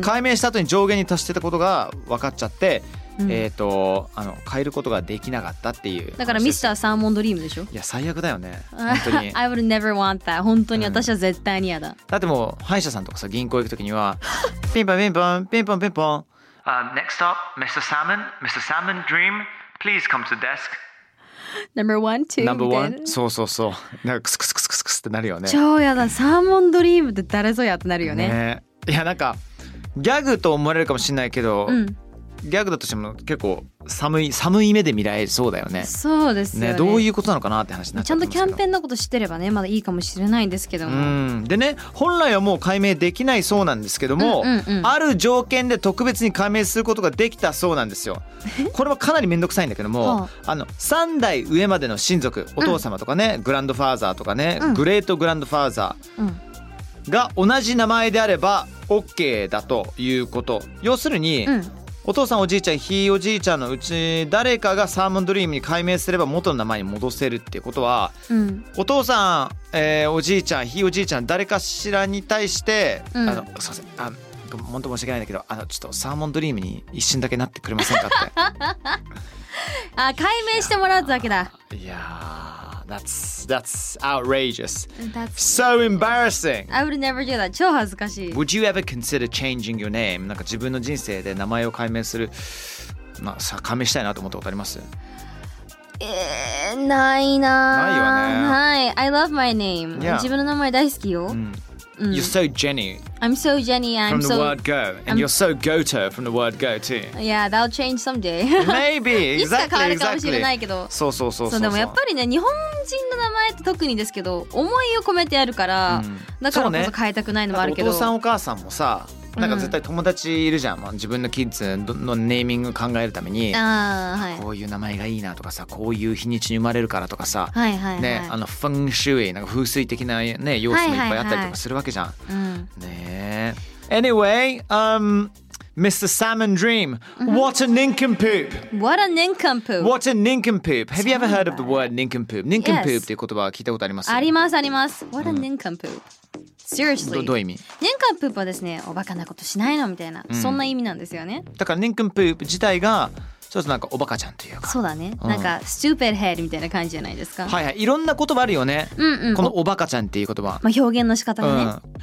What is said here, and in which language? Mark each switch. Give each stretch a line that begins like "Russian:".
Japanese: 解明した後に上限に達してたことが分かっちゃって、うん、変えることができなかったっていう。だからミスターサーモンドリームでしょ。いや最悪だよね、本当に
English: I would never want that、
Japanese: 本当に私は絶対に嫌だ、うん、だってもう歯医者さんとかさ、銀行行くときにはピンポンピンポンピンポンピンポン、
English: Next stop, Mr. Salmon. Mr. Salmon Dream, please come to desk. Number one, two. Number one.
Japanese: そうそうそう。なんかクスクスクスクスクスってなるよね。超やだ、サーモンドリームって誰ぞやってなるよ ね。いやなんかギャグと思われるかもしれないけど、うん、ギャグだとしても結構寒い目で見られそうだよね。そうですよ ね。どういうことなのかなって話になって、ちゃんとキャンペーンのこと知ってればねまだいいかもしれないんですけども、うん、でね、本来はもう解明できないそうなんですけども、うんうんうん、ある条件で特別に解明することができたそうなんですよ。これはかなりめんどくさいんだけども、あの3代上までの親族、お父様とかね、うん、グランドファーザーとかね、うん、グレートグランドファーザー、うん、が同じ名前であれば OK だということ。要するに、うん、お父さんおじいちゃんひいおじいちゃんのうち誰かがサーモンドリームに改名すれば元の名前に戻せるっていうことは、うん、お父さん、おじいちゃんひいおじいちゃん誰かしらに対して、うん、あのすいません、あ、本当申し訳ないんだけど、あのちょっとサーモンドリームに一瞬だけなってくれませんかって。あ、改名してもらうわけだ。
English: いやー、 that's outrageous. That's so embarrassing. I would never do that.
Japanese: 超恥ずかしい。
English: Would you ever consider changing your name?
Japanese: なんか自分の人生で名前を改名する、まあ、改名したいなと思ったことあります？ないな。ないよね。
English: はい。 I love my name. Yeah.
Japanese: 自分の名前大好きよ。
English: うん、You're so Jenny. I'm so Jenny. From the word go. And you're so Goto from the word go too. Yeah, that'll change someday. Maybe. Exactly.
Japanese: いつか変わるかもしれないけど。そうそうそうそう。でもやっぱりね、日本人の名前って特にですけど、思いを込めてあるから、だからこそ変えたくないのもあるけど。お父さんお母さんもさ、なんか絶対友達いるじゃん、自分のキッズのネーミング考えるために、あ、はい、こういう名前がいいなとかさ、こういう日にちに生まれるからとかさ、はいはいはい、ね、あのフンシュイなんか風水的な、ね、要素もいっぱいあったりとかするわけじゃん、はいはいはい、うん、
English: ね、Anyway、Mr. Salmon Dream、 What a nincompoop. What a nincompoop. What a nincompoop. Have you ever heard of the word nincompoop? Nincompoop、yes.
Japanese: っていう言葉は聞いたことあります？ありますあります。
English: What a nincompoopSeriously.
Japanese: どういう意味？ニンカンプープはですね、おバカなことしないのみたいな、うん、そんな意味なんですよね。だからニンカンプープ自体がちょっとなんかおバカちゃんというか、そうだね、うん、なんかストゥーピッドヘッドみたいな感じじゃないですか。はいはい、いろんな言葉あるよね、うんうん、このおバカちゃんっていう言葉、まあ、表現の仕方がね、うん、